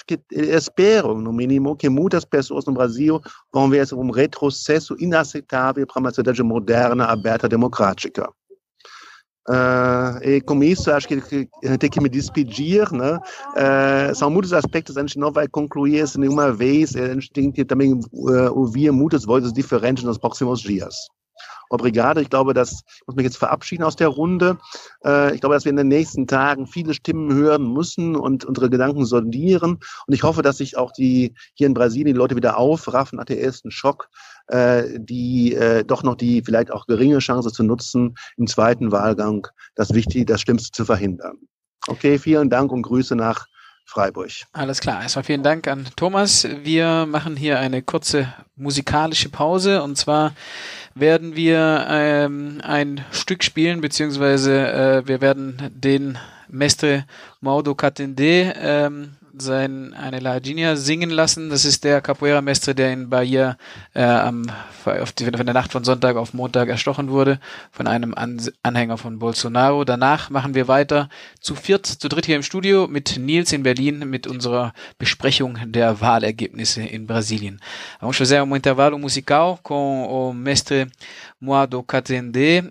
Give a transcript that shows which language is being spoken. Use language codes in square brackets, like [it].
[pt] Espero, no mínimo, que muitas pessoas no Brasil vão ver esse um retrocesso inaceitável para uma sociedade moderna, aberta, democrática. E com isso, acho que tem que me despedir, né? São muitos aspectos, a gente não vai concluir isso nenhuma vez, a gente tem que também ouvir muitas vozes diferentes nos próximos dias. [de] Obrigado, ich glaube, dass ich muss mich jetzt verabschieden aus der Runde. Ich glaube, dass wir in den nächsten Tagen viele Stimmen hören müssen und unsere Gedanken sondieren. Und ich hoffe, dass sich auch die hier in Brasilien die Leute wieder aufraffen nach dem ersten Schock, doch noch die vielleicht auch geringe Chance zu nutzen, im zweiten Wahlgang das Wichtige, das Schlimmste zu verhindern. Okay, vielen Dank und Grüße nach Freiburg. Alles klar, erstmal vielen Dank an Thomas. Wir machen hier eine kurze musikalische Pause und zwar werden wir ein Stück spielen, beziehungsweise wir werden den Mestre Maudo Catende eine La Ginia singen lassen. Das ist der Capoeira-Mestre, der in Bahia von der Nacht von Sonntag auf Montag erstochen wurde von einem Anhänger von Bolsonaro. Danach machen wir weiter zu dritt hier im Studio mit Nils in Berlin mit unserer Besprechung der Wahlergebnisse in Brasilien. [pt] Vamos fazer um intervalo musical com o Mestre Maudo Catende.